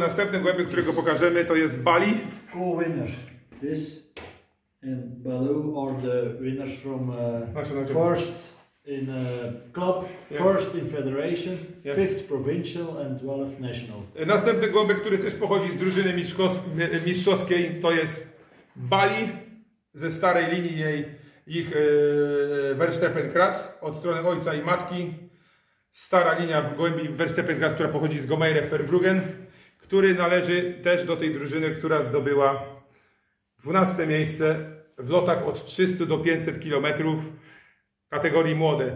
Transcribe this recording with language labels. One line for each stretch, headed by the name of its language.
Polish: Następny gołębie, którego pokażemy, to jest Bali.
English: Cool winner. This and Balu are the winners from first in club, first in federation, fifth provincial and 12th national.
Polish: Następny gołębie, który też pochodzi z drużyny mistrzowskiej, to jest Bali ze starej linii jej. Ich Verstappen Kras od strony ojca i matki. Stara linia w głębi Verstappen Kras, która pochodzi z Gomeire Verbruggen, który należy też do tej drużyny, która zdobyła 12 miejsce w lotach od 300 do 500 km kategorii młode.